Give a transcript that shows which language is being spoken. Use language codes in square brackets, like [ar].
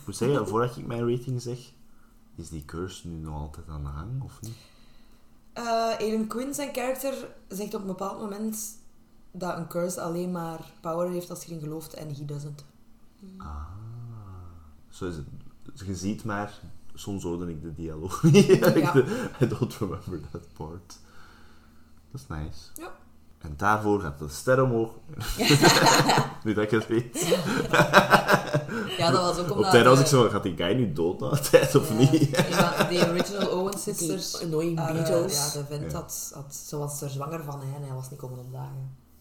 [nl] Hoe zeg je, voordat ik mijn rating zeg, is die curse nu nog altijd aan de gang, of niet? Aiden Quinn, zijn character, zegt op een bepaald moment... Dat een curse alleen maar power heeft als je erin gelooft en [en] he doesn't. [nl] Ah. Zo is het. Je ziet maar, soms hoorde ik de dialoog niet. Ja. [en] I don't remember that part. [nl] Dat is nice. Ja. En daarvoor gaat de ster omhoog. Nu dat ik het weet. Ja, dat was ook omdat... Op tijd was ik zo van, gaat die guy nu dood na tijd of niet? Ja, die original Owen sisters. Die annoying Beatles. Ja, de vent had, ze was er zwanger van en hij was niet komen opdagen.